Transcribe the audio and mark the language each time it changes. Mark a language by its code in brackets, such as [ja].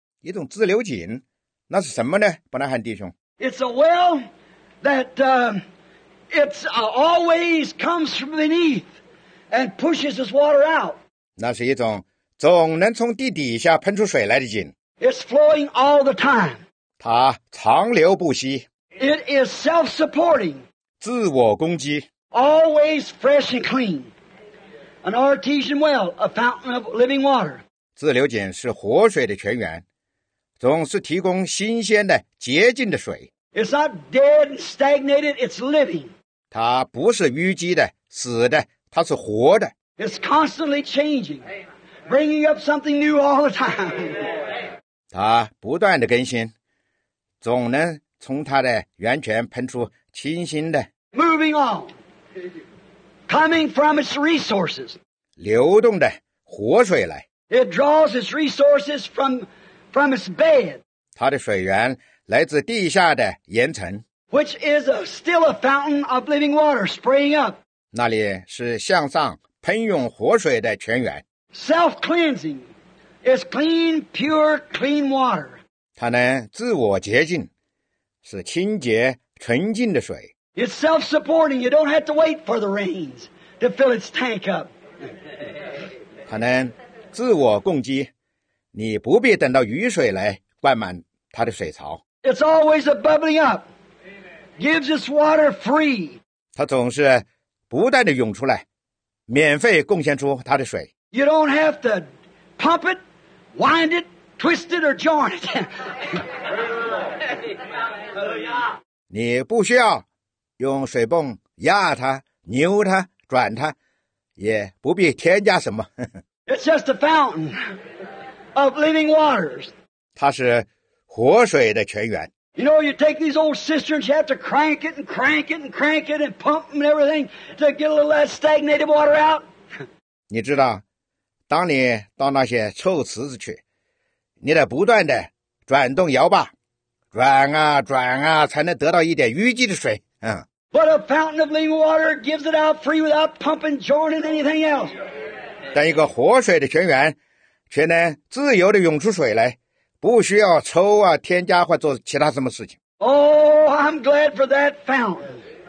[zh] 一种自流井，那是什么呢？伯南汉弟兄。 [en] It's a well that always comes from beneath and pushes its water out. [zh] 那是一种总能从地底下喷出水来的井。 [en] It's flowing all the time. [zh] 它长流不息。 [en] It is self-supporting. [zh] 自我供给。 [en] Always fresh and clean. An artesian well, a fountain of living water. [zh] 自流井是活水的泉源，总是提供新鲜的、洁净的水。 [en] It's not dead and stagnated, it's living. [zh] 它不是淤积的、死的，它是活的。 [en] It's constantly changing. Bringing up something new all the time. [zh] 它不断的更新，总能从它的源泉喷出清新的。 [en] Moving on. Coming from its resources. [zh] 流动的活水来。 [en] It draws its resources from its bed. [zh] 它的水源来自地下的岩层。 [en] Which is still a fountain of living water spraying up. [zh] 那里是向上喷涌活水的泉源。 [en] Self-cleansing is clean, pure, clean water. [zh] 它能自我洁净，是清洁、纯净的水。 [en] It's self-supporting. You don't have to wait for the rains to fill its tank up. [zh] 它能自我供给，你不必等到雨水来灌满它的水槽。 [en] It's always a bubbling up. Gives its water free. [zh] 它总是不断地涌出来，免费贡献出它的水。 [en] You don't have to pump it, wind it, twist it, or join it. [zh] 你不需要用水泵压它、扭它、转它，也不必添加什么。 [en] It's just a fountain of living waters. [zh] 它是活水的泉源。 [en] You know, you take these old cisterns, you have to crank it and crank it and crank it and pump them and everything to get a little of that stagnated water out. [zh] 你知道当你到那些臭池子去，你得不断的转动摇把，转啊转啊，才能得到一点淤积的水。 [en] But a fountain of living water gives it out free without pumping, joining anything else. [zh] 但一个活水的泉源，却能自由的涌出水来，不需要抽啊、添加或做其他什么事情。 [en] Oh, I'm glad for that fountain.